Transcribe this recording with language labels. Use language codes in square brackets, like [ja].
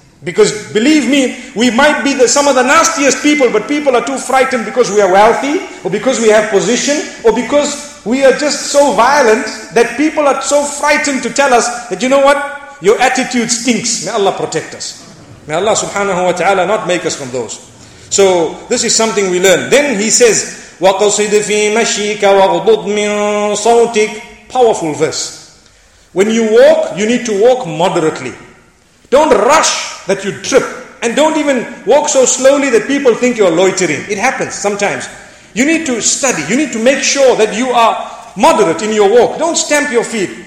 [en] Because believe me, we might be some of the nastiest people, but people are too frightened because we are wealthy, or because we have position, or because we are just so violent that people are so frightened to tell us that, you know what, your attitude stinks. May Allah protect us. May Allah subhanahu wa ta'ala not make us from those. So this is something we learn. Then he says, [ar] وَقَصِدْ فِي مَشِيكَ وَغْضُضْ مِنْ صَوْتِكَ. [en] Powerful verse. When you walk, you need to walk moderately. Don't rush that you trip. And don't even walk so slowly that people think you're loitering. It happens sometimes. You need to study. You need to make sure that you are moderate in your walk. Don't stamp your feet.